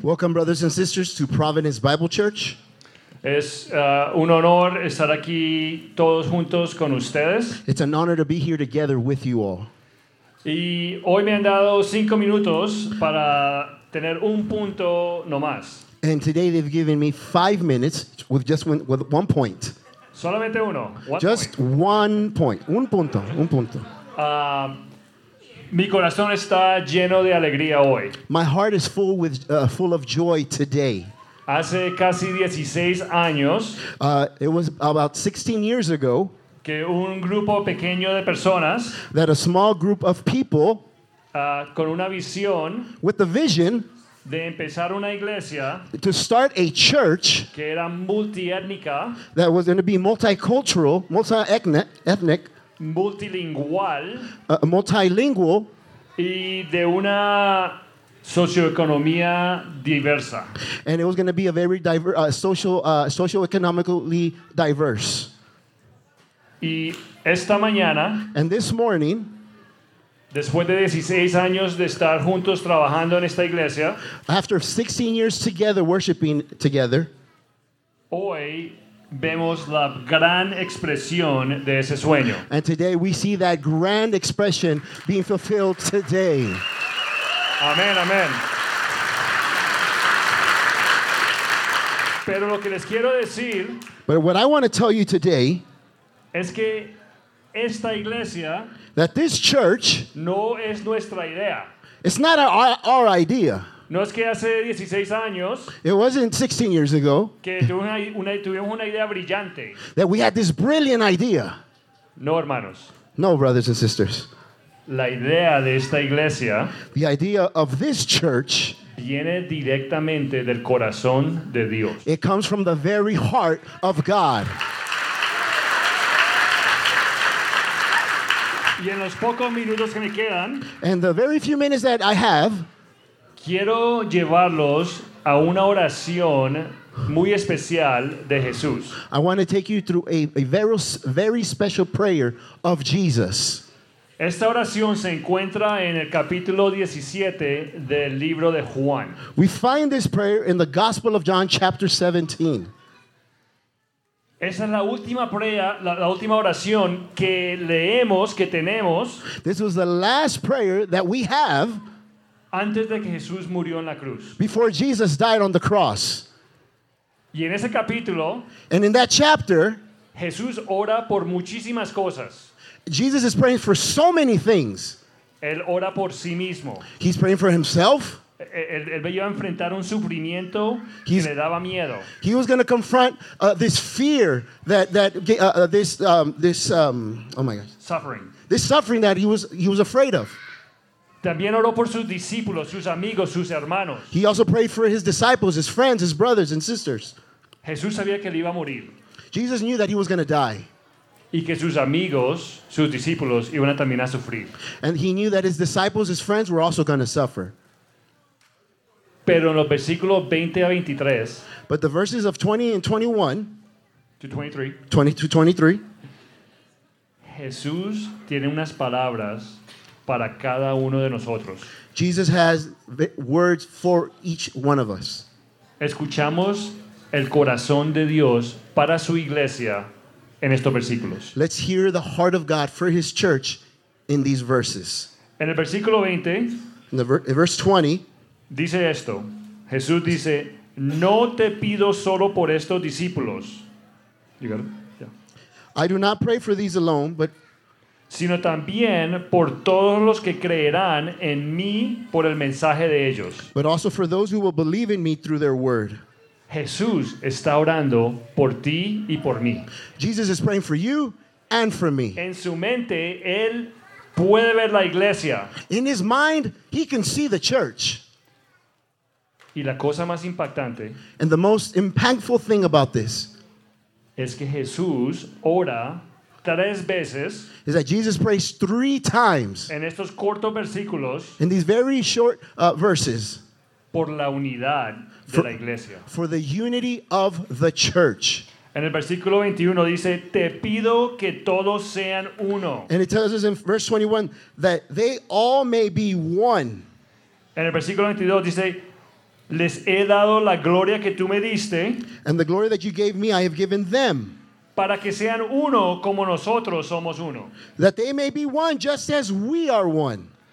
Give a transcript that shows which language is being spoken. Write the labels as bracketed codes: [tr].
[en] Welcome, brothers and sisters, to Providence Bible Church. [es] Es un honor estar aquí todos juntos con ustedes. [en] It's an honor to be here together with you all. [es] Y hoy me han dado cinco minutos para tener un punto nomás. [en] And today they've given me 5 minutes with just one point. [es] Solamente uno. Un punto. Mi corazón está lleno de alegría hoy. [en] My heart is full of joy today. [es] Hace casi 16 años. [en] It was about 16 years ago. [es] Que un grupo pequeño de personas. [en] That a small group of people. [es] Con una visión. [en] With a vision. [es] De empezar una iglesia. [en] To start a church. [es] Que era multiétnica. [en] That was going to be multicultural, multi-ethnic. [es] Multilingual y de una socioeconomía diversa. [en] And it was going to be a very socioeconomically diverse. [es] Y esta mañana, [en] and this morning, [es] después de 16 años de estar juntos trabajando en esta iglesia, [en] after 16 years together worshiping together, [es] hoy vemos la gran expresión de ese sueño. [en] And today we see that grand expression being fulfilled today. [es] Amen, amen. Pero lo que les quiero decir, [en] but what I want to tell you today, [es] es que esta iglesia, [en] that this church, [es] no es nuestra idea. [en] It's not our idea. [es] No es que hace 16 años, [en] it wasn't 16 years ago [es] que tuvimos una idea brillante, [en] that we had this brilliant idea. [es] No, hermanos. [en] No, brothers and sisters. [es] La idea de esta iglesia, [en] the idea of this church, [es] viene directamente del corazón de Dios. [en] It comes from the very heart of God. [es] Y en los pocos minutos que me quedan, [en] and the very few minutes that I have, [es] quiero llevarlos a una oración muy especial de Jesús. [en] I want to take you through a very, very special prayer of Jesus. [es] Esta oración se encuentra en el capítulo 17 del libro de Juan. [en] We find this prayer in the Gospel of John, chapter 17. [es] Esa es la última prayer, la última oración que leemos, que tenemos. [en] This was the last prayer that we have. [es] Antes de que Jesús murió en la cruz. [en] Before Jesus died on the cross. [es] Y en ese capítulo, [en] and in that chapter, [es] Jesús ora por muchísimas cosas. [en] Jesus is praying for so many things. [es] Él ora por sí mismo. [en] He's praying for himself. [es] Él iba a enfrentar un sufrimiento que le daba miedo. [en] He was going to confront this fear this suffering that he was afraid of. [es] También oró por sus discípulos, sus amigos, sus hermanos. [en] He also prayed for his disciples, his friends, his brothers and sisters. [es] Jesús sabía que él iba a morir. [en] Jesus knew that he was going to die. [es] Y que sus amigos, sus discípulos, iban a también a sufrir. [en] And he knew that his disciples, his friends were also going to suffer. [es] Pero en los versículos 20 a 23. [en] But the verses of 20 and 21. To 23. [es] Jesús tiene unas palabras para cada uno de nosotros. [en] Jesus has words for each one of us. [es] Escuchamos el corazón de Dios para su iglesia en estos versículos. [en] Let's hear the heart of God for his church in these verses. [es] En el versículo 20, [en] verse 20, [es] dice esto. Jesús dice, no te pido solo por estos discípulos. [en] You got it? Yeah. I do not pray for these alone, but [es] sino también por todos los que creerán en mí por el mensaje de ellos. [en] But also for those who will believe in me through their word. [es] Jesús está orando por ti y por mí. [en] Jesus is praying for you and for me. [es] En su mente, él puede ver la iglesia. [en] In his mind, he can see the church. [es] Y la cosa más impactante, [en] and the most impactful thing about this, [es] es que Jesús ora tres veces, [en] is that Jesus prays three times [es] en estos cortos versículos, [en] in these very short verses [es] por la unidad de la iglesia. [en] For the unity of the church. [es] En el versículo 21 dice, te pido que todos sean uno. [en] And it tells us in verse 21 that they all may be one. [es] En el versículo 22 dice, les he dado la gloria que tú me diste. [en] And the glory that you gave me, I have given them. [es] Para que sean uno como nosotros somos uno. [en] That they may be one just as we are one.